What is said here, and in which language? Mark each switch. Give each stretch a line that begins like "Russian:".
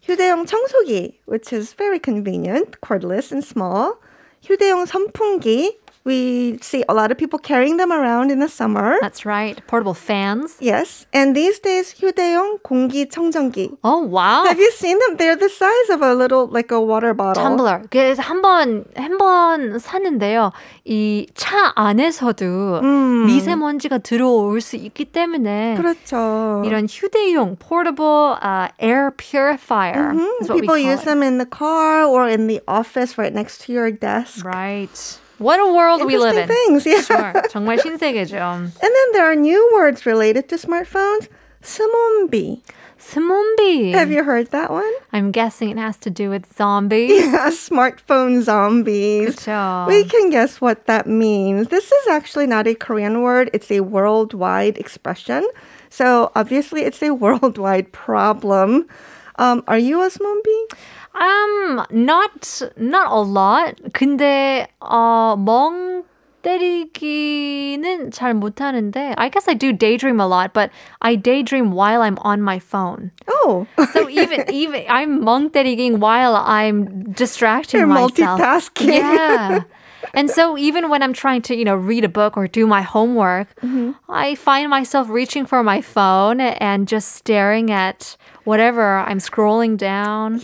English: 휴대용 청소기, which is very convenient, cordless and small. 휴대용 선풍기, we see a lot of people carrying them around in the summer. That's right, portable fans. Yes, and these days, 휴대용 공기청정기. Oh, wow. Have you seen them? They're the size of a little, like a water bottle.
Korean: Tumbler. 그래서 한 번 샀는데요. 이 차 안에서도 미세먼지가 들어올 수 있기 때문에 그렇죠. 이런 휴대용
English: portable air purifier. Mm-hmm. People use them in the car or in the office right next to your desk. Right. What a world we live in. Interesting things, yeah.
Korean: Sure. 정말 신세계죠.
English: And then there are new words related to smartphones.
Korean: 스몬비. 스몬비.
English: Have you heard that one? I'm guessing it has to do with zombies. Yeah, smartphone zombies.
Korean: 그쵸.
English: We can guess what that means. This is actually not a Korean word. It's a worldwide expression. So obviously it's a worldwide problem. Are you a 스몬비? Not a lot.
Korean: 근데 멍 때리기는 잘 못하는데.
English: I guess I do daydream a lot, but I daydream while I'm on my phone. Oh, so even I'm 멍 때리기 while I'm distracting You're myself. You're multitasking. Yeah. And so even when I'm trying to, you know, read a book or do my homework, mm-hmm. I find myself reaching for my phone and just staring at whatever I'm scrolling down.